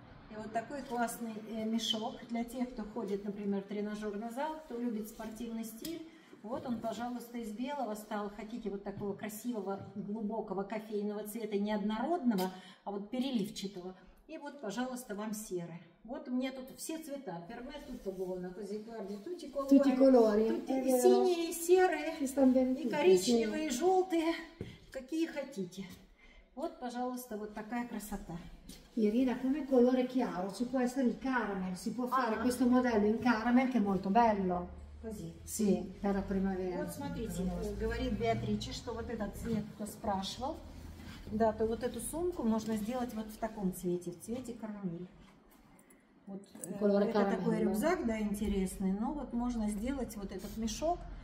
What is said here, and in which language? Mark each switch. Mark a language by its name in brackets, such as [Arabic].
[Russian] И вот такой классный мешок для тех, кто ходит, например, в тренажерный зал, кто любит спортивный стиль. Вот он, пожалуйста, из белого стал. Хотите вот такого красивого, глубокого кофейного цвета, неоднородного, а вот переливчатого. И вот, пожалуйста, вам серый. Вот мне тут все цвета. [Italian] Перме тут буона, così guardi, tutti colori. Tutti colori. [Russian] И синие, и серые, и коричневые, и желтые, какие хотите. Вот, пожалуйста, вот такая красота. [Italian] Irina, come colore chiaro ci può essere il caramel, si può fare questo modello in caramel che è molto bello. Così. Sì, per la primavera. [Russian] Вот смотрите, говорит Беатриче, что вот этот цвет, кто спрашивал, да, то вот эту сумку можно сделать вот в таком цвете, в цвете карамель. Вот, это такой рюкзак, да, интересный, но вот можно сделать вот этот мешок